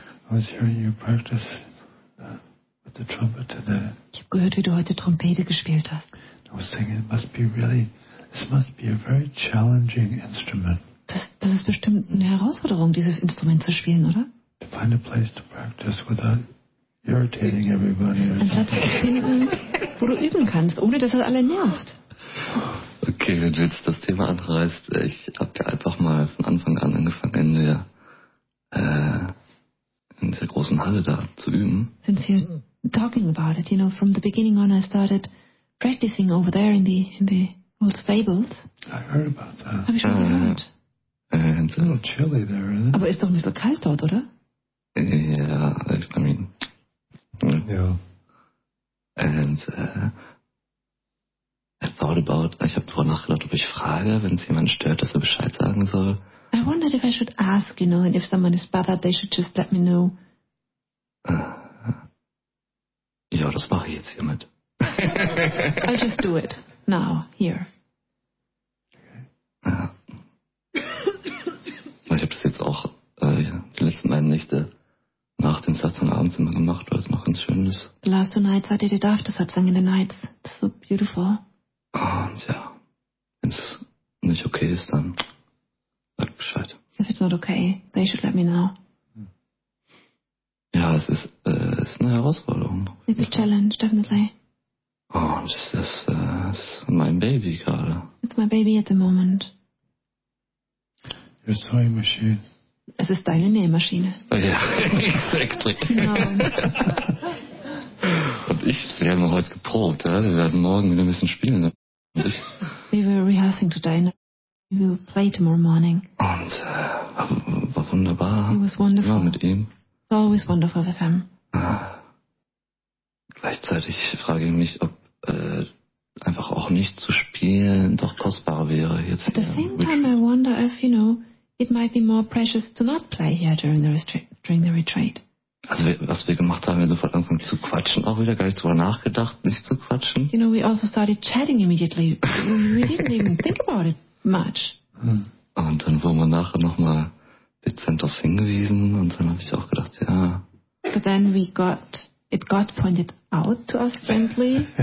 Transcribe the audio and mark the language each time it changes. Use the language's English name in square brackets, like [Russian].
[English] Was hier you practice with the trumpet today. [German] Ich habe gehört, wie du heute Trompete gespielt hast. [English] I was thinking, it must be really, this must be a very challenging instrument. [German] Das ist bestimmt eine Herausforderung, dieses Instrument zu spielen, oder? [English] To find a place to practice without irritating everybody. [German] Ein Platz zu finden, wo du üben kannst, ohne dass es alle nervt. Okay, wenn du jetzt das Thema anreißt, ich habe ja einfach mal von Anfang an angefangen, in der in dieser großen Halle da zu üben. [English] Since you're talking about it, you know, from the beginning on I started practicing over there in the old stables. I heard about that. [German] Habe ich schon gehört. [English] And it's a little chilly there, isn't it? [German] Aber ist doch nicht so kalt dort, oder? [English] Yeah, I mean. Yeah. [German] And ich habe darüber nachgedacht, ob ich frage, wenn es jemand stört, dass er Bescheid sagen soll. [English] I wondered if I should ask, you know, and if someone is bothered, they should just let me know. [German] Ja, das mache ich jetzt hiermit. [English] I'll just do it now, here. [German] Ja. Ich habe das jetzt auch die letzten beiden Nächte nach dem Satsang abends immer gemacht, weil es noch ganz schön ist. [English] The last two nights I did it after Satsang in the nights. It's so beautiful. [German] Und ja, wenn es nicht okay ist, dann sag Bescheid. [English] If it's not okay, they should let me know. [German] Ja, es ist, ist eine Herausforderung. [English] It's a challenge, definitely. [German] Und es ist, ist mein Baby gerade. [English] It's my baby at the moment. Your sewing machine. [German] Es ist deine Nähmaschine. [English] Ja, exactly. [German] Genau. Und ich, wir haben heute geprobt, ja? Wir werden morgen wieder ein bisschen spielen. Ne? [English] We were rehearsing today. We will play tomorrow morning. [German] Und war wunderbar. [English] It was wonderful. [German] Immer mit ihm. [English] It's always wonderful with him. [German] Gleichzeitig frage ich mich, ob einfach auch nicht zu spielen doch kostbarer wäre jetzt. [English] At the same time, I wonder if, you know, it might be more precious to not play here during the retreat. [German] Also was wir gemacht haben, wir sofort angefangen zu quatschen, auch wieder gar nicht drüber nachgedacht, nicht zu quatschen. [English] You know, we also started chatting immediately. We didn't even think about it much. [German] Und dann wurden wir nachher nochmal dezent darauf hingewiesen und dann habe ich auch gedacht, ja. [English] But then it got pointed out to us gently.